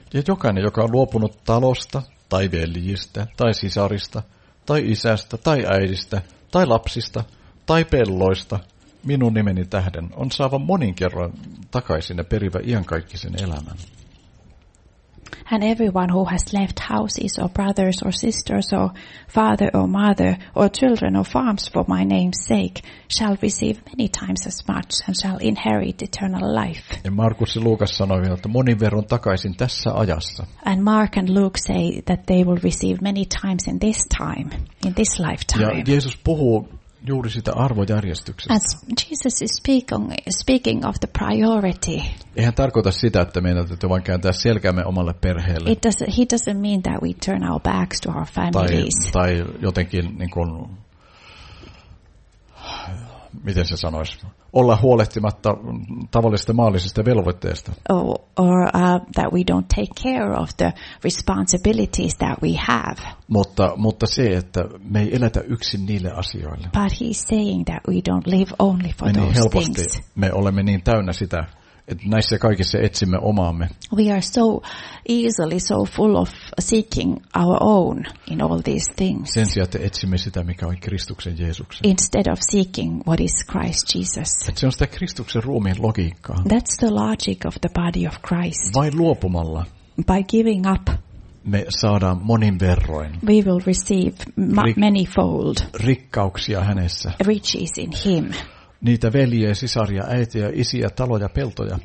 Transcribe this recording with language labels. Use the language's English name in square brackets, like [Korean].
[Finnish] Ja jokainen, joka on luopunut talosta, tai veljistä, tai sisarista, tai isästä, tai äidistä, tai lapsista, tai pelloista, minun nimeni tähden on saava monin kerran takaisin ja perivä iankaikkisen elämän. [English] And everyone who has left houses or brothers or sisters or father or mother or children or farms for my name's sake shall receive many times as much and shall inherit eternal life. [Finnish] Ja Markus ja Luukas sanoivat, että monin verran takaisin tässä ajassa. [English] And Mark and Luke say that they will receive many times in this time, in this lifetime. [Finnish] Ja Jeesus puhuu juuri sitä arvojärjestyksestä. [English] As Jesus is speaking of the priority. [Finnish] Eihän tarkoita sitä, että meidän täytyy vain kääntää selkäämme omalle perheelle. [English] He doesn't mean that we turn our backs to our families. [Finnish] Tai jotenkin niin kuin, miten se sanoisi, olla huolehtimatta tavallisista maallisista velvoitteista. [English] Or that we don't take care of the responsibilities that we have. [Finnish] Mutta se, että me ei eletä yksin niille asioille. [English] But he's saying that we don't live only for those things. [Finnish] Me helposti olemme niin täynnä sitä Että näissä kaikissa etsimme omaamme. [English] We are so easily so full of seeking our own in all these things. [Finnish] Sen sijaan, että etsimme sitä, mikä on Kristuksen Jeesuksen. [English] Instead of seeking what is Christ Jesus. [Finnish] Et se on sitä Kristuksen ruumiin logiikkaa. [English] That's the logic of the body of Christ. [Finnish] Vai luopumalla. [English] By giving up. [Finnish] Me saadaan monin verroin. [English] We will receive manyfold. [Finnish] Rikkauksia hänessä. [English] Riches in him. [Finnish] Niitä veljiä, sisaria, äitiä, isiä, taloja, peltoja.